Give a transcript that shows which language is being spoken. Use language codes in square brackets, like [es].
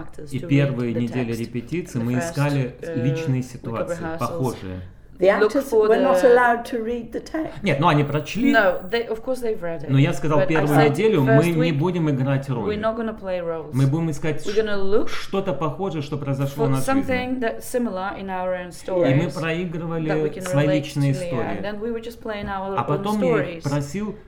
[ru] И первые недели репетиции мы искали личные ситуации, похожие. [en] The actors were not allowed to read the text. [ru] Нет, ну они прочли. [en] No, they, of course they've read it. [ru] Но я сказал, первую неделю мы не будем играть роли. [en] We're not gonna play roles. [ru] Мы будем искать что-то похожее, что произошло в нашей [en] something [ru] жизни. [en] That's similar in our own stories. [ru] И мы проигрывали свои личные истории. [en] Then we were just playing our [ru] а потом [en] own stories. [ru] Я их просил